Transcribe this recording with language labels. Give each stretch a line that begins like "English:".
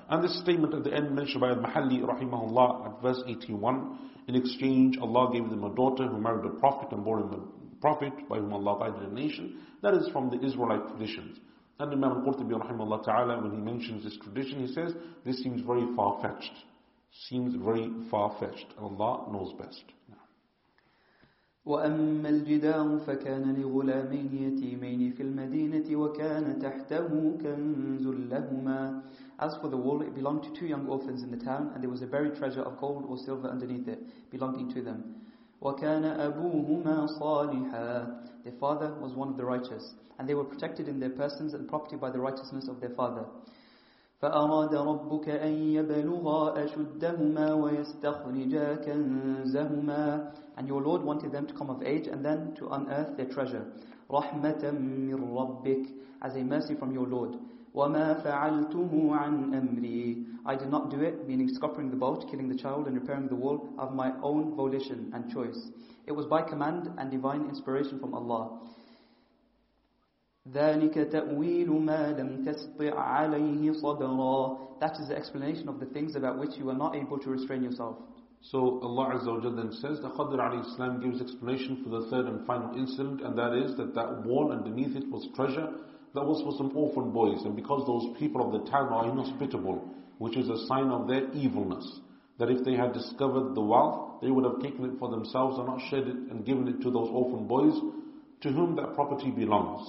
English: And this statement at the end mentioned by Al-Mahalli rahimahullah at verse 81, in exchange Allah gave them a daughter who married a prophet and bore him a prophet by whom Allah guided a nation. That is from the Israelite traditions. And Imam Al-Qurtubi rahimahullah ta'ala, when he mentions this tradition, he says, this seems very far-fetched. Seems very far-fetched. Allah knows best.
Arabic: وأما الجدار فكان لغلامين يتيمين في المدينة وكان تحته كنز لهما.
English: As for the wall, it belonged to two young orphans in the town, and there was a buried treasure of gold or silver underneath it, belonging to them.
Arabic: وكان أبوهما صالحا.
English: Their father was one of the righteous, and they were protected in their persons and property by the righteousness of their father.
Arabic: فأراد ربك أن يبلغا أشدهما ويستخرجا كنزهما.
English: And your Lord wanted them to come of age and then to unearth their treasure.
Arabic: رحمة من ربك,
English: as a mercy from your Lord.
Arabic: وما فعلته عن أمري,
English: I did not do it, meaning scuppering the boat, killing the child and repairing the wall, of my own volition and choice. It was by command and divine inspiration from Allah.
Arabic: ذلك تأويل ما لم تستطع عليه صبرا.
English: That is the explanation of the things about which you are not able to restrain yourself. So Allah Azza wa Jalla then says, the Khadr alayhi salam gives explanation for the third and final incident, and that is that wall underneath it was treasure that was for some orphan boys, and because those people of the town are inhospitable, which is a sign of their evilness, that if they had discovered the wealth, they would have taken it for themselves and not shared it and given it to those orphan boys to whom that property belongs.